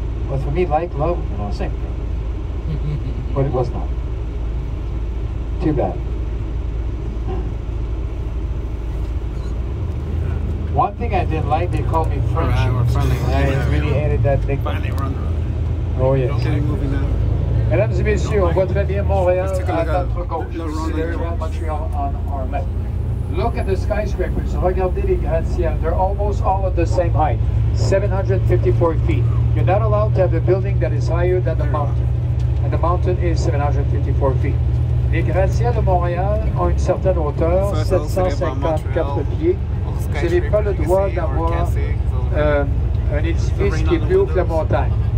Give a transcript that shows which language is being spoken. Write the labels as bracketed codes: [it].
[en] But for me, like, love, you know, same thing. But it was not. Too bad. One thing I didn't like, they called me French. Finally, we're on the road. Oh, yes. Okay, moving on. [fr] Mesdames et messieurs, on voit très bien Montréal, notre côté. [en] Montréal on our left. Look at the skyscrapers. [fr] Regardez les gratte-ciels. [en] They're almost all at the same height, 754 feet. You're not allowed to have a building that is higher than the mountain. And the mountain is 754 feet. [fr] Les gratte-ciels de Montréal ont une certaine hauteur, 754 pieds. Vous n'avez pas le droit d'avoir un édifice qui est plus haut que la montagne.